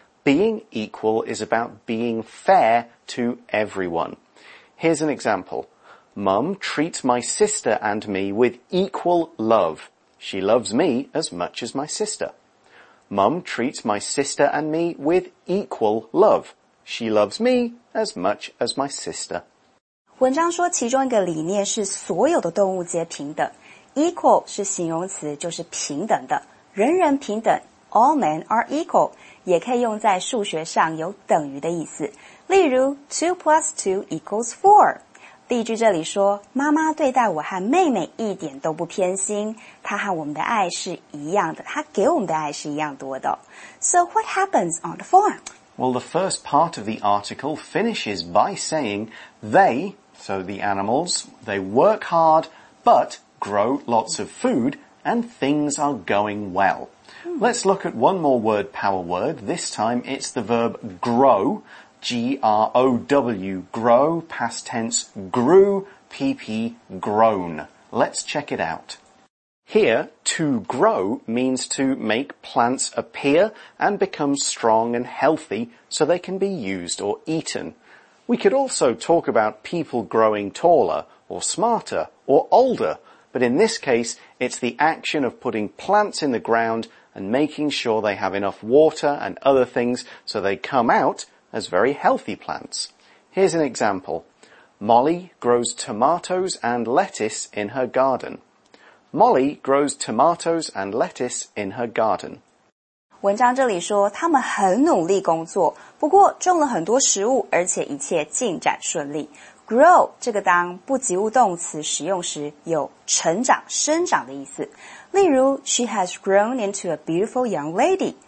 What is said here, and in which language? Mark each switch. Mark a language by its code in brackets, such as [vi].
[en] Being equal is about being fair to everyone. Here's an example. Mum treats my sister and me with equal love. She loves me as much as my sister. Mum treats my sister and me with equal love. She loves me as much as my sister. [zh] 文章说其中一个理念是所有的动物皆平等。 Equal 是形容词，就是平等的。人人平等 , [en] all men are equal, [zh] 也可以用在数学上有等于的意思。例如 [en] ,2 plus 2 equals 4。 [zh] 例句这里说妈妈对待我和妹妹一点都不偏心，她和我们的爱是一样的，她给我们的爱是一样多的。 [en] So what happens on the farm? Well, the first part of the article finishes by saying they, so the animals, they work hard, but grow lots of food, and things are going well. Let's look at one more word power word. This time it's the verb grow, G-R-O-W, grow, past tense, grew, PP, grown. Let's check it out. Here, to grow means to make plants appear and become strong and healthy so they can be used or eaten. We could also talk about people growing taller or smarter or older, but in this case, it's the action of putting plants in the ground and making sure they have enough water and other things so they come out as very healthy plants. Here's an example. Molly grows tomatoes and lettuce in her garden. Molly grows tomatoes and lettuce in her garden. [zh] 文章这里说他们很努力工作，不过种了很多食物，而且一切进展顺利。 Grow 这个当不及物动词使用时有成长、生长的意思。例如 [en] ,she has grown into a beautiful young lady.